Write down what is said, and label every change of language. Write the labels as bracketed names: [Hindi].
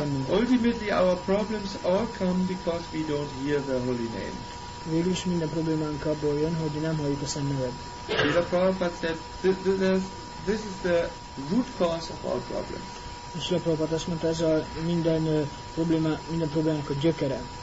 [English] Ultimately, our problems all come because we don't hear the holy name. [Hungarian] Végülis minden problémánk abból jön, hogy nem halljuk a Szent Nevet. [English] Srila Prabhupada said, this is the root cause of all problems. [Hungarian] Srila Prabhupada azt mondta, ez a minden probléma, minden problémának a gyökere.